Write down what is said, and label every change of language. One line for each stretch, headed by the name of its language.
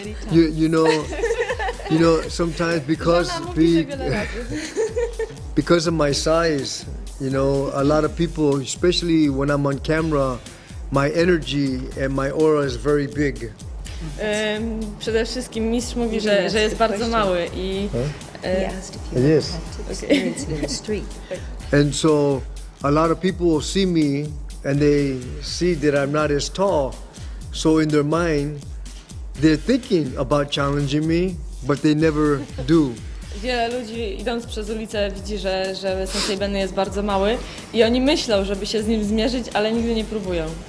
English: You know, sometimes because of my size, you know, a lot of people, especially when I'm on camera, my energy and my aura is very big.
Polish: Przede wszystkim mistrz mówi, że jest bardzo mały i
English: yes. Street. And so a lot of people will see me and they see that I'm not as tall. So in their mind they're thinking about challenging me, but they never do.
Polish: Wiele ludzi idąc przez ulicę widzi, że Sensei Benny jest bardzo mały i oni myślą, żeby się z nim zmierzyć, ale nigdy nie próbują.